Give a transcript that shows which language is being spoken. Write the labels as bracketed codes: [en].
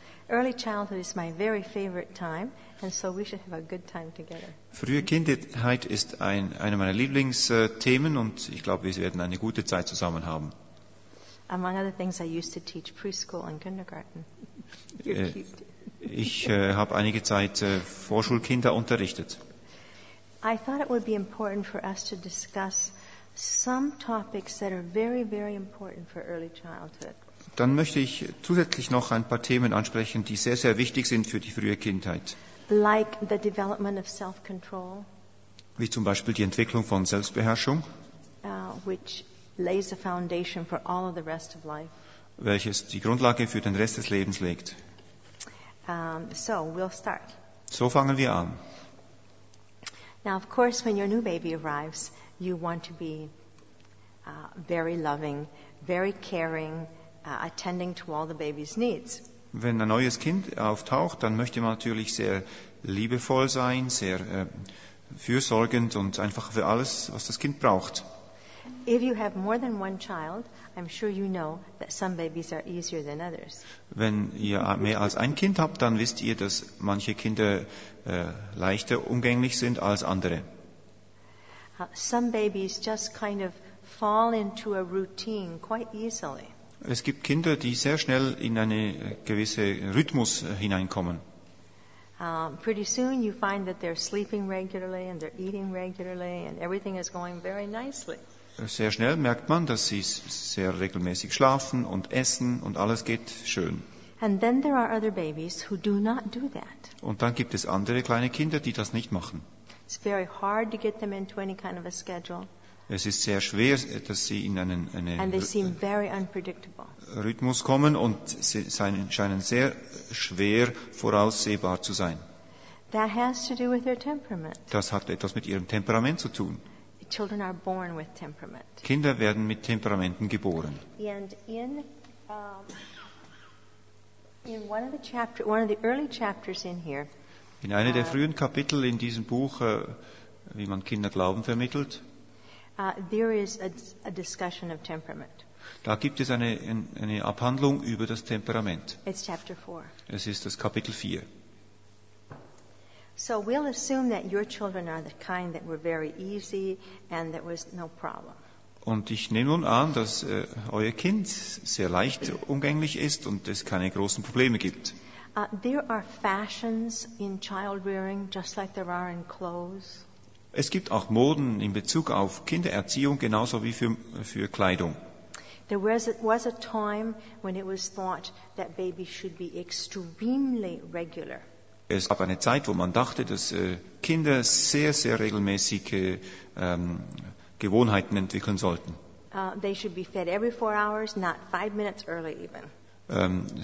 [en] Early childhood is my very favorite time, and so we should have a good time together. [de] Frühe Kindheit ist eine meiner Lieblingsthemen, und ich glaube, wir werden eine gute Zeit zusammen haben. [en] Among other things, I used to teach preschool and kindergarten. [de] Ich habe einige Zeit Vorschulkinder unterrichtet. [en] I thought it would be important for us to discuss some topics that are very, very important for early childhood. [de] Dann möchte ich zusätzlich noch ein paar Themen ansprechen, die sehr, sehr wichtig sind für die frühe Kindheit. [en] Like the development of self-control. [de] Wie zum Beispiel die Entwicklung von Selbstbeherrschung, [en] which lays the foundation for all of the rest of life. [de] Welches die Grundlage für den Rest des Lebens legt. [en] So, we'll start. [de] So fangen wir an. [en] Now, of course, when your new baby arrives, you want to be very loving, very caring, attending to all the baby's needs. [de] Wenn ein neues Kind auftaucht, dann möchte man natürlich sehr liebevoll sein, sehr fürsorgend und einfach für alles, was das Kind braucht. [en] If you have more than one child, I'm sure you know that some babies are easier than others. [de] Wenn ihr mehr als ein Kind habt, dann wisst ihr, dass manche Kinder leichter umgänglich sind als andere. [en] Some babies just kind of fall into a routine quite easily. [de] Es gibt Kinder, die sehr schnell in einen gewissen Rhythmus hineinkommen. [en] Pretty soon you find that they're sleeping regularly and they're eating regularly and everything is going very nicely. [de] Sehr schnell merkt man, dass sie sehr regelmäßig schlafen und essen und alles geht schön. [en] And then there are other babies who do not do that. [de] Und dann gibt es andere kleine Kinder, die das nicht machen. [en] It's very hard to get them into any kind of a schedule. [de] Es ist sehr schwer, dass sie in einen Rhythmus kommen und sie scheinen sehr schwer voraussehbar zu sein. [en] That has to do with their temperament. [de] Das hat etwas mit ihrem Temperament zu tun. [en] Children are born with temperament. [de] Kinder werden mit Temperamenten geboren. [en] And in one of the chapter, one of the early chapters in here, [de] in einer der frühen Kapitel in diesem Buch, wie man Kinder Glauben vermittelt, [en] there is a discussion of temperament. [de] Da gibt es eine Abhandlung über das Temperament. [en] It's chapter 4. [de] Es ist das Kapitel 4. [en] So we'll assume that your children are the kind that were very easy and that was no problem. [de] Und ich nehme nun an, dass euer Kind sehr leicht umgänglich ist und es keine großen Probleme gibt. [en] There are fashions in child rearing just like there are in clothes. [de] Es gibt auch Moden in Bezug auf Kindererziehung genauso wie für Kleidung. [en] There was a time when it was thought that babies should be extremely regular. [de] Es gab eine Zeit, wo man dachte, dass Kinder sehr, sehr regelmäßige Gewohnheiten entwickeln sollten. [en] They should be fed every 4 hours, not 5 minutes early even.